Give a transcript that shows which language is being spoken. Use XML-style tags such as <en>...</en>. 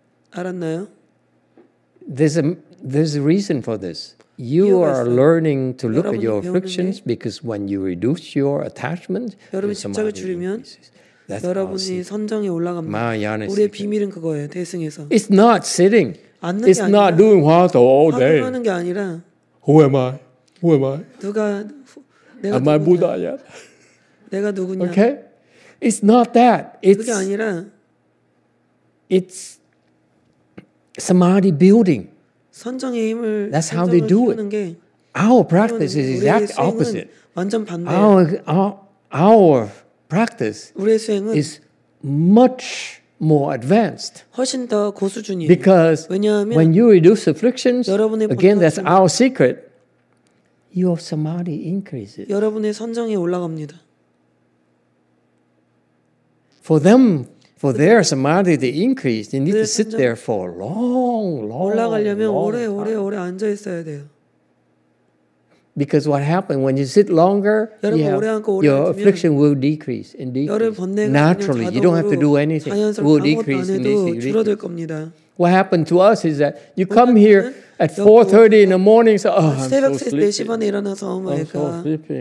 <ko>알았나요?</ko> <en>There's a reason for this. You are learning to look at your afflictions because when you reduce your attachment,</en> <ko>여러분 집착을 줄이면 여러분이 선정에 올라갑니다. 우리의 비밀은 그거예요. 대승에서.</ko> <en>It's not sitting. It's not doing 화도 all day.</en> <ko>하는 게 아니라.</ko> <en>Who am I? Who am I?</en> <ko>누가 내가</ko> <en>am I Buddha야?</en> <ko>내가 누구냐?</ko> <en>Okay. It's not that. It's</en> <ko>그게 아니라.</ko> <en>It's samadhi building.</en> <ko>선정의 힘을</ko> <en>That's how they do it. Our practice is exact opposite.</en> <ko>완전 반대.</ko> <en>Our practice</en> <ko>우리의 수행은</ko> <en>is much more advanced.</en> <ko>훨씬 더 고수준이에요.</ko> <en>Because</en> <ko>왜냐하면</ko> <en>when you reduce afflictions, again that's our secret. Your samadhi increases.</en> <ko>여러분의 선정이 올라갑니다.</ko> <en>For them. For their samadhi, they increase. They need to sit there for a long, long, long time.</en> <ko>올라가려면 오래 앉아 있어야 돼요.</ko> <en>Because what happened when you sit longer, your affliction will decrease and decrease. Naturally, you don't have to do anything. Will decrease and decrease. What happened to us is that you come here at 4:30 in the morning. So, oh, I'm so sleepy.</en>